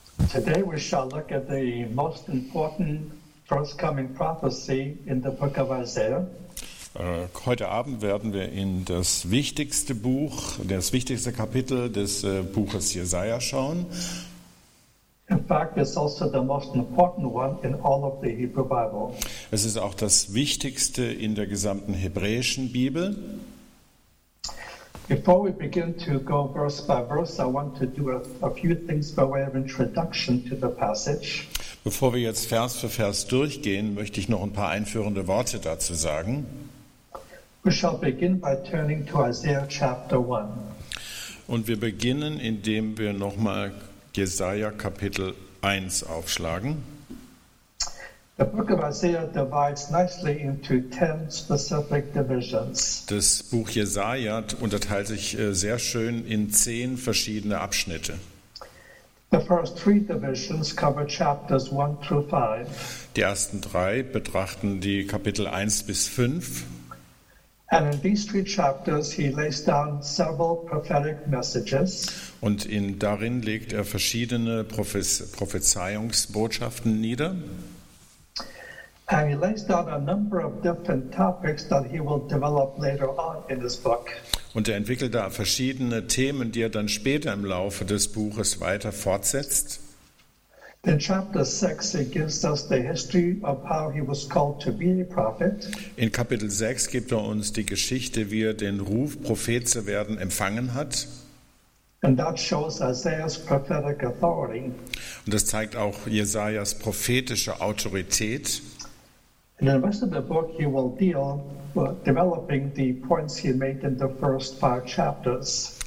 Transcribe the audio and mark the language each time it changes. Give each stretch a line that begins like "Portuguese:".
English: Today we shall look at the most important first coming prophecy in the book of Isaiah.
German: Heute Abend werden wir in das wichtigste Buch, das wichtigste Kapitel des Buches Jesaja schauen.
English: In fact, it's also the most important one in all of the Hebrew Bible.
German: Es ist auch das wichtigste in der gesamten hebräischen Bibel.
English: Before we begin to go verse by verse, I want to do a few things by way of introduction to the passage.
German: Bevor wir jetzt Vers für Vers durchgehen, möchte ich noch ein paar einführende Worte dazu sagen.
English: We shall begin by turning to Isaiah chapter 1.
German: Und wir beginnen, indem wir nochmal Jesaja Kapitel 1 aufschlagen.
English: The book of Isaiah divides nicely into 10 specific divisions.
German: Das Buch Jesaja unterteilt sich sehr schön in 10 verschiedene Abschnitte.
English: The first 3 divisions cover chapters 1 through 5.
German: Die ersten 3 betrachten die Kapitel 1 bis 5.
English: And in these 3 chapters he lays down several prophetic messages.
German: Und darin legt er verschiedene Prophezeiungsbotschaften nieder.
English: And he lays down a number of different topics that he will develop later on in his book.
German: Und er entwickelt da verschiedene Themen, die er dann später im Laufe des Buches weiter fortsetzt.
English: In chapter 6 he gives us the history of how he was called to be a prophet.
German: In Kapitel 6 gibt er uns die Geschichte, wie er den Ruf, Prophet zu werden, empfangen hat.
English: And that shows Isaiah's prophetic authority.
German: Und das zeigt auch Jesajas prophetische Autorität.
English: And in the rest of the book he will deal with developing the points he made in the first 5 chapters.